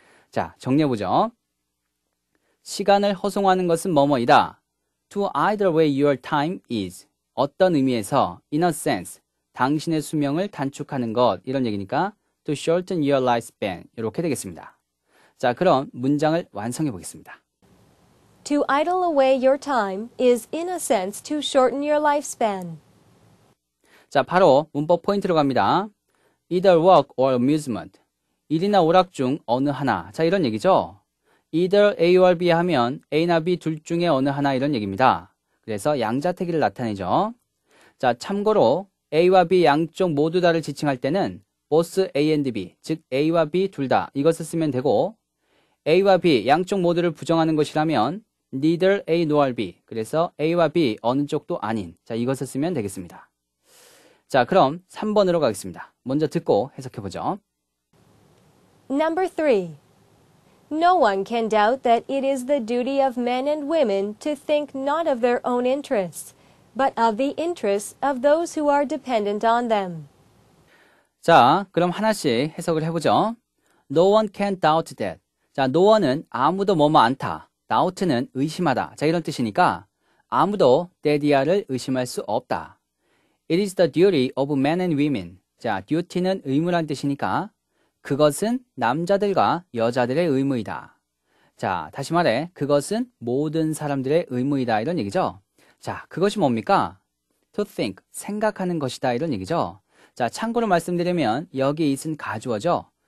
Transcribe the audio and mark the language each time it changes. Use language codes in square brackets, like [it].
[ko] 자, 정리해보죠. 시간을 허송하는 것은 뭐뭐이다. [en] To either way your time is. [ko] 어떤 의미에서 [en] in a sense [ko] 당신의 수명을 단축하는 것 이런 얘기니까 [en] to shorten your lifespan [ko] 이렇게 되겠습니다. 자, 그럼 문장을 완성해 보겠습니다. [en] To idle away your time is in a sense to shorten your lifespan. [ko] 자, 바로 문법 포인트로 갑니다. [en] Either work or amusement. [ko] 일이나 오락 중 어느 하나. 자, 이런 얘기죠. [en] Either A or B [ko] 하면 A나 B 둘 중에 어느 하나 이런 얘기입니다. 그래서 양자택일을 나타내죠. 자, 참고로 A와 B 양쪽 모두 다를 지칭할 때는 [en] both A and B, [ko] 즉 A와 B 둘 다 이것을 쓰면 되고 A와 B 양쪽 모두를 부정하는 것이라면 [en] neither A nor B, [ko] 그래서 A와 B 어느 쪽도 아닌 자 이것을 쓰면 되겠습니다. 자, 그럼 3번으로 가겠습니다. 먼저 듣고 해석해보죠. [en] Number 3. No one can doubt that it is the duty of men and women to think not of their own interests, but of the interests of those who are dependent on them. [ko] 자, 그럼 하나씩 해석을 해보죠. [en] No one can doubt that. [ko] 자, no one은 아무도 뭐뭐 않다. Doubt는 의심하다. 자, 이런 뜻이니까 아무도 that이야를 의심할 수 없다. [en] It is the duty of men and women. [ko] 자, duty는 의무란 뜻이니까 그것은 남자들과 여자들의 의무이다. 자, 다시 말해 그것은 모든 사람들의 의무이다 이런 얘기죠. 자, 그것이 뭡니까? [en] To think, [ko] 생각하는 것이다 이런 얘기죠. 자, 참고로 말씀드리면 여기 is은 가주어죠.